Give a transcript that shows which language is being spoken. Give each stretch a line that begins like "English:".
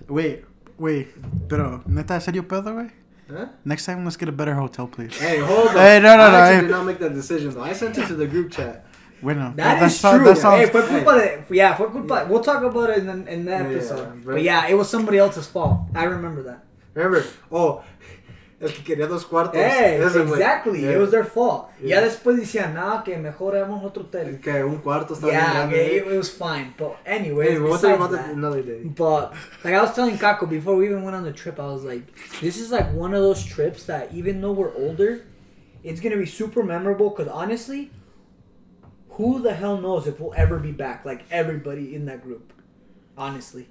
English: Wait,
Spanish: pero neta, serio pedo, güey?
English: Huh? Next time, let's get a better hotel, please. Hey, hold on. Hey, no. I did not make that decision, though. I sent it to the group chat.
Spanish: Bueno,
English: that's true. We'll talk about it in that episode. Yeah, but yeah, it was somebody else's fault. I remember that. Remember?
Spanish: Oh, el que quería dos cuartos.
English: Exactly. Yeah. It was their fault. Yeah.
Spanish: Ya después decían, no, que mejor hagamos otro hotel. Que un cuarto está
English: It was fine. But anyway, hey, we'll talk about that another day. But like I was telling Kako before we even went on the trip, I was like, this is like one of those trips that even though we're older, it's going to be super memorable because honestly, who the hell knows if we'll ever be back, like everybody in that group. Honestly.